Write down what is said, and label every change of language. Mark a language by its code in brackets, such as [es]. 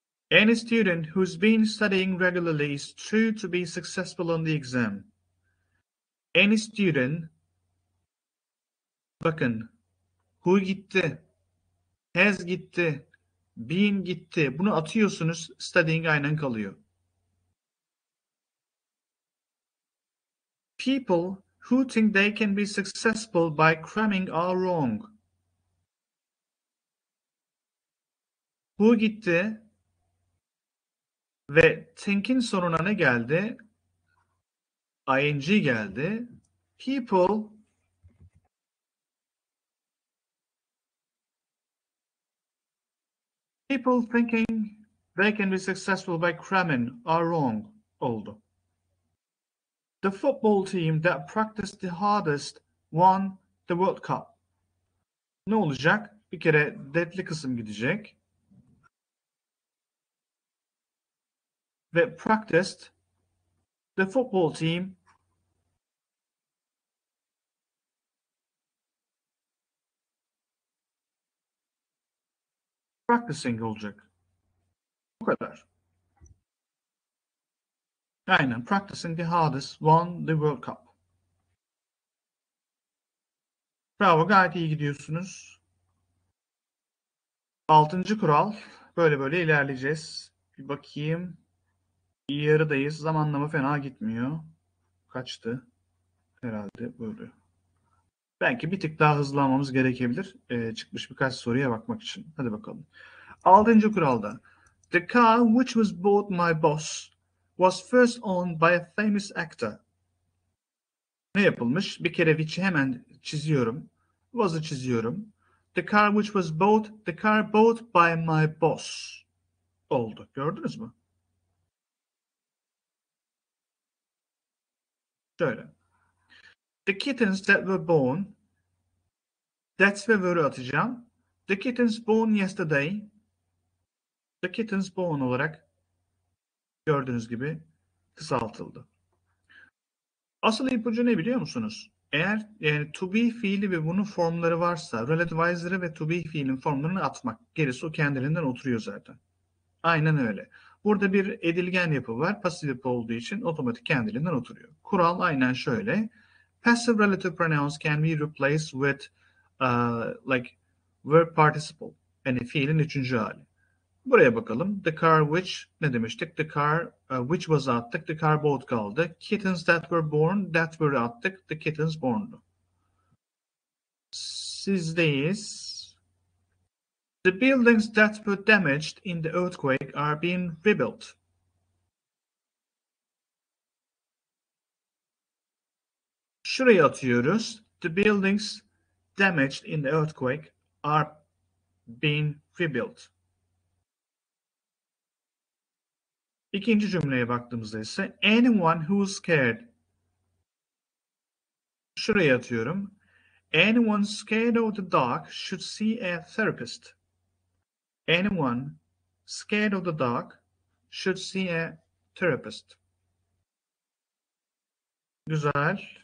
[en] Any student who's been studying regularly is true to be successful on the exam. Any student, [tr] bakın, [en] who [tr] gitti, [en] has gitti, been gitti. [tr] Bunu atıyorsunuz, [en] studying [tr] aynen kalıyor. [en] People who think they can be successful by cramming are wrong. Who [tr] gitti? Ve think'in sonuna ne geldi? ING geldi. [en] People thinking they can be successful by cramming are wrong [tr] oldu. [en] The football team that practiced the hardest won the World Cup. [tr] Ne olacak? Bir kere deadly kısım gidecek. Ve [en] practiced, the football team practicing [tr] olacak. Bu kadar. Aynen. [en] Practicing the hardest won the World Cup. [tr] Bravo. Gayet iyi gidiyorsunuz. Altıncı kural. Böyle böyle ilerleyeceğiz. Bir bakayım. Yarıdayız. Zamanlama fena gitmiyor. Kaçtı. Herhalde böyle. Belki bir tık daha hızlı almamız gerekebilir. Çıkmış birkaç soruya bakmak için. Hadi bakalım. Altıncı kuralda. [en] The car which was bought by boss was first owned by a famous actor. [tr] Ne yapılmış? Bir kere which'i hemen çiziyorum. Was'ı çiziyorum. [en] The car which was bought, the car bought by my boss. [tr] Oldu. Gördünüz mü? Şöyle. [en] The kittens that were born, that's [tr] ve were'ı atacağım. [en] The kittens born yesterday, the kittens born [tr] olarak gördüğünüz gibi kısaltıldı. Asıl ipucu ne biliyor musunuz? Eğer yani to be fiili ve bunun formları varsa, relative advisor'ı ve to be fiilin formlarını atmak, gerisi o kendiliğinden oturuyor zaten. Aynen öyle. Burada bir edilgen yapı var. Pasif yapı olduğu için otomatik kendiliğinden oturuyor. Kural aynen şöyle. [en] Passive relative pronouns can be replaced with like verb participle. [tr] Yani fiilin üçüncü hali. Buraya bakalım. [en] The car which [tr] ne demiştik? [en] The car which was [tr] attık. [en] The car bought [tr] kaldı. [en] Kittens that were born, that were [tr] attık. [en] The kittens born'du. [tr] Sizdeyiz. [en] The buildings that were damaged in the earthquake are being rebuilt. [tr] Şuraya atıyoruz. [en] The buildings damaged in the earthquake are being rebuilt. [tr] İkinci cümleye baktığımızda ise [en] anyone who's scared. [tr] Şuraya atıyorum. [en] Anyone scared of the dark should see a therapist. Anyone scared of the dark should see a therapist. [tr] Güzel.